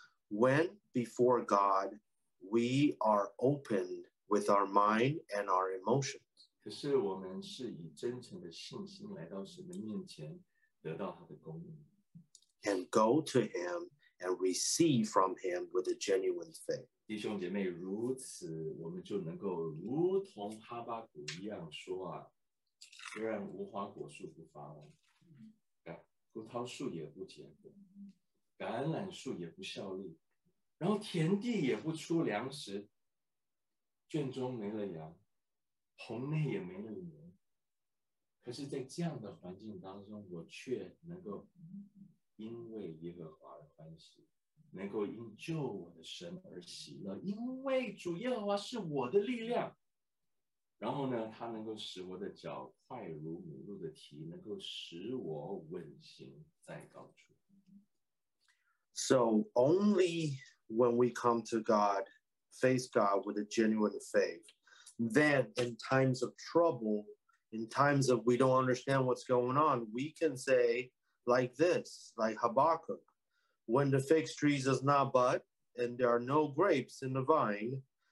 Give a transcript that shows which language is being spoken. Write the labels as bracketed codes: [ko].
[en] When before God, we are opened with our mind and our emotions. [zh] 可是我们是以真诚的信心来到神的面前，得到他的供应。 [en] And go to him and receive from him with a genuine faith. [zh] 弟兄姐妹，如此我们就能够如同哈巴谷一样说啊，虽然无花果树不发了，葡萄树也不结果，橄榄树也不效力，然后田地也不出粮食，圈中没了羊，棚内也没了牛，可是在这样的环境当中，我却能够因为耶和华的欢喜，能够因救我的神而喜乐，因为主耶和华是我的力量。然后呢，他能够使我的脚快如母鹿的蹄，能够使我稳行在高处。 [en] So only when we come to God, face God with a genuine faith, then in times of trouble, in times of we don't understand what's going on, we can say like this, like Habakkuk, when the fig tree does not bud and there are no grapes in the vine,